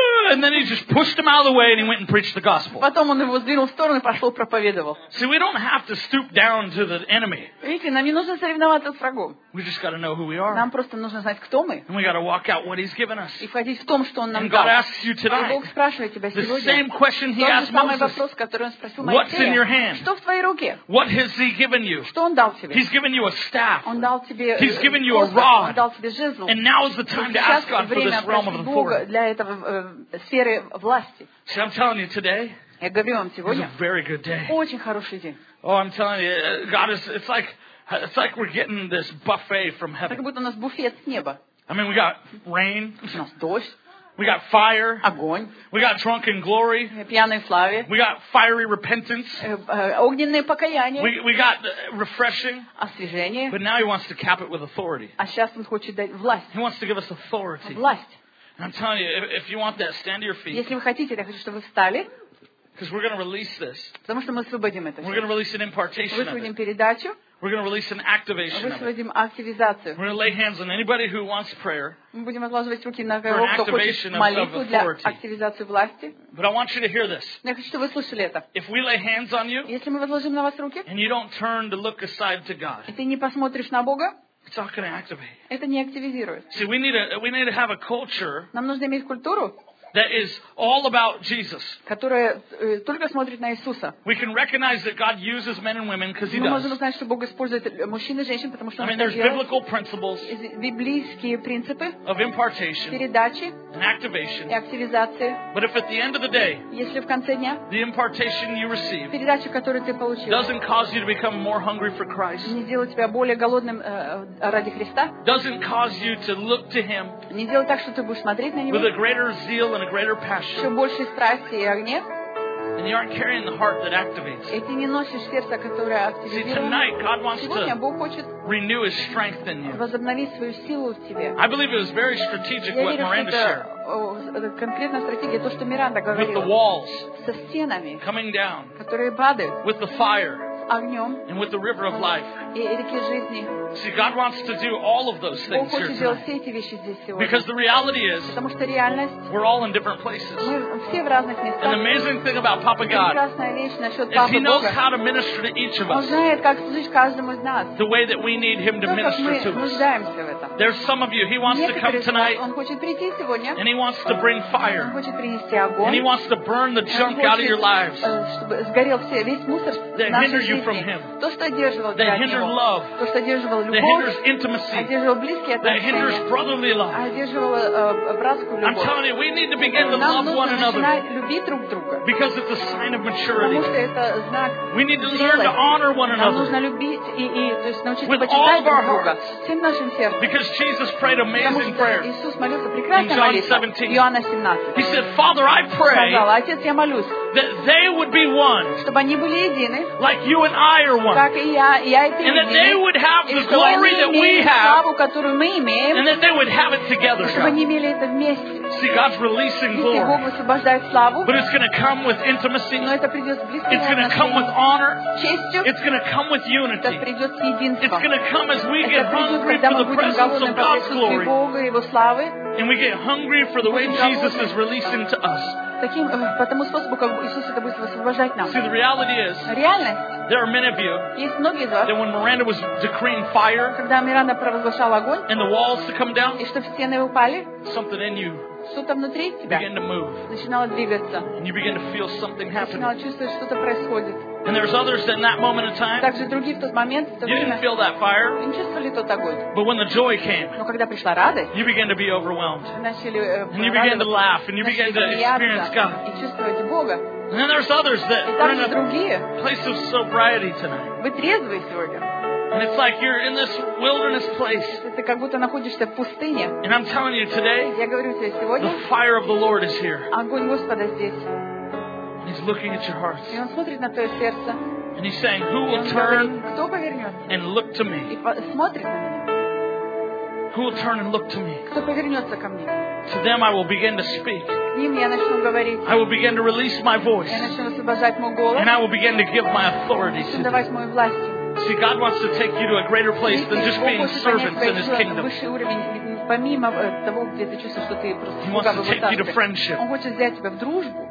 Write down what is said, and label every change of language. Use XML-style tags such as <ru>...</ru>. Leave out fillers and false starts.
<en>And then he just pushed him out of the way and he went and preached the gospel.</en> <ru>Потом он его сдвинул в сторону и пошел проповедовал.</ru> <en>See, we don't have to stoop down to the enemy.</en> <ru>Видите, нам не нужно соревноваться с врагом.</ru> <en>We just got to know who we are.</en> <ru>Нам просто нужно знать, кто мы.</ru> <en>And we got to walk out what he's given us.</en> <ru>И входить в том, что он нам дал.</ru> <en>God asks you today.</en> <ru>И Бог спрашивает тебя сегодня.</ru> <en>The same question he asked Moses.</en> <ru>Тот же самый вопрос, который он спросил Моисея.</ru> <en>What's in your hand?</en> <ru>Что в твоей руке?</ru> <en>What has he given you?</en> <ru>Что он дал тебе?</ru> <en>He's given you a staff.</en> <ru>Он дал тебе.</ru> <en>He's given you a rod.</en> <ru>Он дал тебе жезл.</ru> <en>And now is the time to ask God for this realm of authority.</en> <ru>Сферы власти.</ru> <en>See, I'm telling you today.</en> <ru>Я говорю вам сегодня.</ru> <en>It's a very good day.</en> <ru>Очень хороший день.</ru> <en>Oh, I'm telling you, God is. It's like we're getting this buffet from heaven.</en> <ru>Как будто у нас буфет с неба.</ru> <en>I mean, we got rain.</en> <ru>У нас дождь.</ru> <en>We got fire.</en> <ru>Огонь.</ru> <en>We got drunken glory.</en> <ru>Пьяной славе.</ru> <en>We got fiery repentance.</en> <ru>Огненное покаяние.</ru> <en>We got refreshing.</en> <ru>Освежение.</ru> <en>But now he wants to cap it with authority.</en> <ru>А сейчас он хочет дать власть.</ru> <en>He wants to give us authority.</en> <ru>Власть.</ru> <en>I'm telling you, if you want that, stand to your feet.</en> <ru>Если вы хотите, я хочу, чтобы вы встали.</ru> <en>Because we're going to release this.</en> <ru>Потому что мы освободим это.</ru> <en>We're going to release an impartation.</en> <ru>Высвободим передачу.</ru> <en>We're going to release an activation.</en> <ru>Высвободим активизацию.</ru> <en>We're going to lay hands on anybody who wants prayer.</en> <ru>Мы будем возложить руки на кого, кто хочет молитву для активизации власти.</ru> <en>But I want you to hear this.</en> <ru>Я хочу, чтобы вы слышали это.</ru> <en>If we lay hands on you.</en> <ru>Если мы возложим на вас руки.</ru> <en>And you don't turn to look aside to God.</en> <ru>И ты не посмотришь на Бога.</ru> <en>It's not going to activate.</en> <ru>Это не активизирует.</ru> <en>See, we need to have a culture.</en> <ru>Нам нужно иметь культуру.</ru> <en>That is all about Jesus.</en> <ru>Которая только смотрит на Иисуса.</ru> <en>We can recognize that God uses men and women because He does.</en> <ru>Мы можем узнать, что Бог использует мужчин и женщин, потому что Он это делает.</ru> <en>I mean, there's biblical principles.</en> <ru>Библейские принципы.</ru> <en>Of impartation.</en> <ru>Передачи.</ru> <en>And activation.</en> <ru>И активизации.</ru> <en>But if at the end of the day.</en> <ru>Если в конце дня.</ru> <en>The impartation you receive.</en> <ru>Передача, которую ты получил.</ru> <en>Doesn't cause you to become more hungry for Christ.</en> <ru>Не делает тебя более голодным ради Христа.</ru> <en>Doesn't cause you to look to Him.</en> <ru>Не делает так, что ты будешь смотреть на Него.</ru> <en>With a greater zeal. And a greater passion. And you aren't carrying the heart that activates.</en> <ru>И ты не носишь сердце, которое активирует.</ru> <en>See, tonight God wants</en> <ru>сегодня</ru> <en>to</en> <ru>Бог хочет</ru> <en>renew His strength in you.</en> <ru>Возобновить свою силу в тебе.</ru> <en>I believe it was very strategic</en> <ru>я</ru> <en>what</en> <ru>верю,</ru> <en>Miranda shared.</en> <ru>Это конкретная стратегия, то, что Миранда говорила.</ru> <en>With the walls</en> <ru>со стенами,</ru> <en>coming down,</en> <ru>которые падают.</ru> <en>With the fire.</en> <ru>Огнем.</ru> <en>And with the river of life.</en> <ru>И реки жизни.</ru> <en>See, God wants to do all of those things</en> <ru>Бог хочет</ru> <en>here</en> <ru>делать все эти вещи здесь сегодня.</ru> <en>Because the reality is,</en> <ru>потому что реальность,</ru> <en>we're all in different places.</en> <ru>Мы все в разных местах.</ru> <en>And the amazing thing about Papa God,</en> <ru>прекрасная вещь насчет Папы Бога,</ru> <en>is He knows how to minister to each of us.</en> <ru>Он знает, как служить каждому из нас.</ru> <en>The way that we need Him to minister to us.</en> <ru>Нуждаемся в этом.</ru> <en>There's some of you, He wants to come tonight.</en> <ru>Он хочет прийти сегодня.</ru> <en>And He wants to bring fire.</en> <ru>Он хочет принести огонь.</ru> <en>And He wants to burn the junk out of your lives.</en> <ru>Чтобы сгорел весь мусор</ru> <en>that hinder you from Him.</en> <ru>То, что одерживало тебя.</ru> <en>That hinder love.</en> <ru>То, что одерживало</ru> <en>That hinders intimacy.</en> <ru>Одерживал близкие отношения.</ru> <en>That hinders brotherly love.</en> <ru>Одерживал братскую любовь.</ru> <en>I'm telling you, we need to begin to love one another.</en> <ru>Нам нужно любить друг друга.</ru> <en>Because it's a sign of maturity.</en> <ru>Потому что это знак.</ru> <en>We need to learn to honor one another.</en> <ru>Нам нужно любить и то есть научиться почитать друг друга. Всем нашим сердцем.</ru> <en>Because Jesus prayed amazing prayer.</en> <ru>Иисус молился прекрасной молитвой. Иоанна 17.</ru> <en>He said, Father, I pray.</en> <ru>Сказал, отец, я молюсь.</ru> <en>That they would be one,</en> <ru>чтобы они были едины,</ru> <en>like you and I are one,</en> <ru>как и я и ты,</ru> <en>and that they would have the glory that we have,</en> <ru>славу, которую мы имеем,</ru> <en>and that they would have it together,</en> <ru>чтобы они имели это вместе.</ru> <en>See, God's releasing</en> <ru>Если</ru> <en>glory,</en> <ru>Бог высвобождает славу,</ru> <en>but it's going to come with intimacy,</en> <ru>но это придет с близким</ru> <en>It's going to come with honor,</en> <ru>честью,</ru> <en>it's going to come with unity,</en> <ru>это придет с единством,</ru> <en>it's going to come as we</en> <ru>это</ru> <en>get hungry for the presence of God's glory,</en> <ru>Бога, Его славы,</ru> <en>and we get hungry for the way Jesus is releasing to us.</en> <ru>Таким, по тому способу, как Иисус это будет высвобождать нам.</ru> <en>See, the reality is,</en> <ru>реальность.</ru> <en>There are many of you,</en> <ru>есть многие из вас.</ru> <en>That when Miranda was decreeing fire,</en> <ru>когда Миранда провозглашала огонь.</ru> <en>And the walls to come down,</en> <ru>и чтобы стены упали.</ru> <en>Something in you,</en> <ru>что-то внутри тебя.</ru> <en>Began to move,</en> <ru>начинало двигаться.</ru> <en>And you began to feel something happening.</en> <ru>Начинало чувствовать, что-то происходит.</ru> <en>And there's others that in that moment of time,</en> <ru>также другие в тот момент, в то</ru> <en>you</en> <ru>время,</ru> <en>didn't feel that fire,</en> <ru>не чувствовали тот огонь.</ru> <en>But when the joy came,</en> <ru>но когда пришла радость,</ru> <en>you began to be overwhelmed,</en> <ru>начали,</ru> <en>and you began to laugh, and you began to experience God.</en> <ru>И чувствовать Бога.</ru> <en>And then there's others that are in a</en> <ru>другие,</ru> <en>place of sobriety tonight.</en> <ru>Вы трезвы сегодня.</ru> <en>And it's like you're in this wilderness place.</en> <ru>Ты как будто находишься в пустыне.</ru> <en>And I'm telling you today,</en> <ru>я говорю тебе сегодня,</ru> <en>the fire of the Lord is here.</en> <ru>Огонь Господа здесь.</ru> <en>He's looking at your hearts.</en> <ru>И он смотрит на твое сердце.</ru> <en>And he's saying, who will turn and look to me?</en> <ru>И смотрит на меня.</ru> <en>Who will turn and look to me?</en> <ru>Кто повернется ко мне?</ru> <en>To them I will begin to speak.</en> <ru>К ним я начну говорить.</ru> <en>I will begin to release my voice.</en> <ru>Я начну освобождать мой голос.</ru> <en>And I will begin to give my authority.</en> <ru>Начну давать мою власть.</ru> <en>See, God wants to take you to a greater place than just being servants in His kingdom.</en> <ru>Помимо того, где ты чувствуешь, что ты просто слуга,</ru> <en>He wants to take you to friendship.</en> <ru>Он хочет взять тебя в дружбу.</ru>